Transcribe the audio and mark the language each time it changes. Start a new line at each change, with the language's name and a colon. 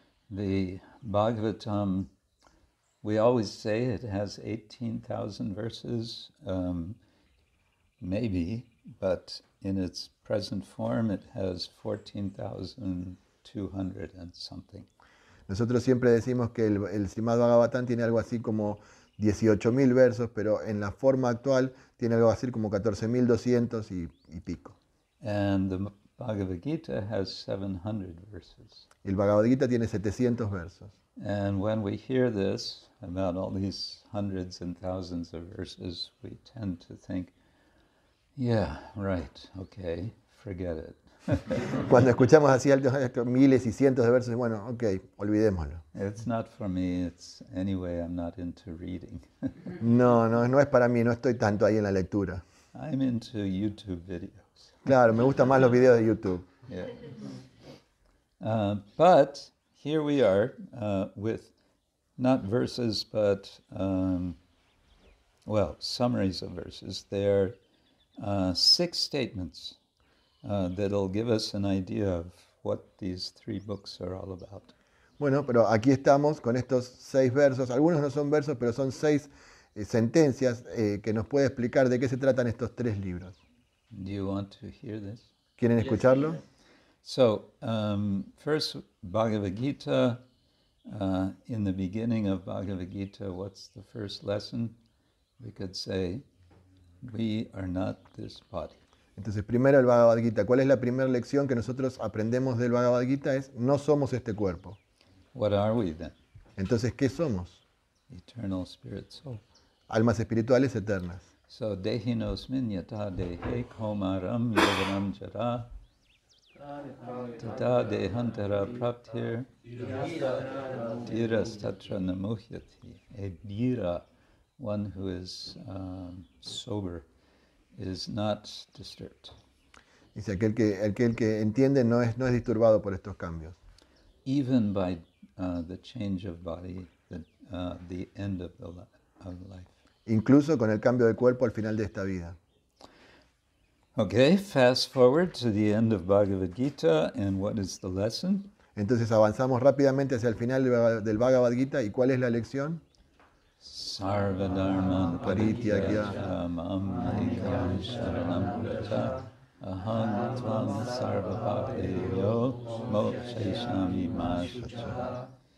English: The Bhagavatam, we always say it has 18,000 verses, maybe, but in its present form it has 14,200 and something.
Spanish: Nosotros siempre decimos que el Srimad Bhagavatam tiene algo así como 18,000 versos, pero en la forma actual tiene algo así como 14,200 y pico.
English: And the Bhagavad Gita has 700 verses.
Spanish: El Bhagavad Gita tiene 700 versos.
English: And when we hear this, about all these hundreds and thousands of verses, we tend to think, yeah, right, okay, forget it.
Spanish: Cuando escuchamos así altos, miles y cientos de versos, bueno, okay, olvidémoslo.
English: It's not for me. It's anyway, I'm not into reading.
Spanish: No es para mí. No estoy tanto ahí en la lectura.
English: I'm into YouTube videos.
Spanish: Claro, me gustan más los videos de YouTube.
English: Yeah. But here we are with not verses, but well, summaries of verses. There are six statements that'll give us an idea of what these three books are all about.
Spanish: Bueno, pero aquí estamos con estos seis versos. Algunos no son versos, pero son seis sentencias que nos puede explicar de qué se tratan estos tres libros.
English: Do you want to hear this?
Spanish: ¿Quieren escucharlo?
English: So, first, Bhagavad Gita. In the beginning of Bhagavad Gita, what's the first lesson? We could say, we are not this body.
Spanish: Entonces, primero el Bhagavad Gita. ¿Cuál es la primera lección que nosotros aprendemos del Bhagavad Gita? Es, no somos este cuerpo.
English: What are we then?
Spanish: Entonces, ¿qué somos?
English: Eternal spirit soul.
Spanish: Almas espirituales eternas.
Sanskrit: So, dehinosmin yata dehe komaram yogaram jara tata dehantara praptir dhira statra namuhyati.
English: A dhira, one who is sober, is not disturbed.
Spanish: Dice, aquel que entiende no es disturbado por estos cambios.
English: Even by the change of body, the end of the of life.
Spanish: Incluso con el cambio de cuerpo al final de esta vida.
English: Okay, fast forward to the end of Bhagavad Gita, and what is the lesson?
Spanish: Entonces avanzamos rápidamente hacia el final del Bhagavad Gita, ¿y cuál es la lección?
Sanskrit: Sarva dharma paritya mam aikam sharanam prata aham tvam sarva bhavayo mokshayishami mashacha.